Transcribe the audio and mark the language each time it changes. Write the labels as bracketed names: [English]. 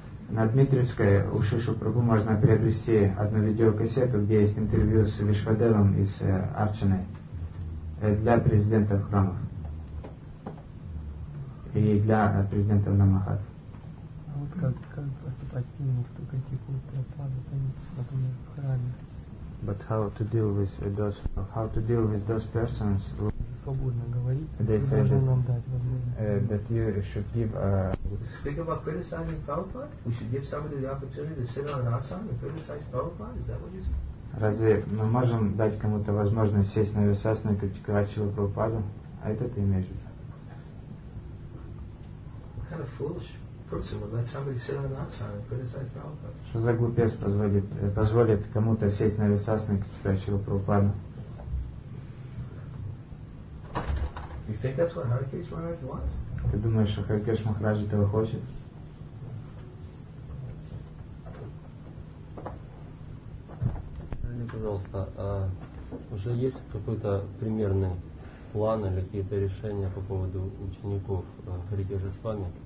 [Russian] На Дмитриевской у Шишу Прабу можно приобрести одну видеокассету, где есть интервью с Вишвадевом и с Арчаной для президентов храмов и для президентов Намахат. А вот как поступать с теми, кто критикует Прабхупаду, например, в храме? [English] But how to deal with those persons who [Russian] свободно говорить, [English] they say that, [Russian] нам дать возможность. [English] That you should give speak about criticizing Prabhupada? We should give somebody the opportunity to sit on an asana and criticize Prabhupada? Is that what you say? [Russian] Разве мы можем дать кому-то возможность сесть на висасану и критиковать Шрилу Прабхупаду? А это ты имеешь в виду? [English] What kind of foolish person would let somebody sit on an asana and criticize Prabhupada? [Russian] Что за глупец позволит кому-то сесть на висасану и критиковать Шрилу Прабхупаду? [English] You think that's what Harikesh Maharaj wants? [Russian] Ты думаешь, что Харикеш Махарадж этого хочет? Скажи, пожалуйста, уже есть какой-то примерный план или какие-то решения по поводу учеников Харикеша с вами?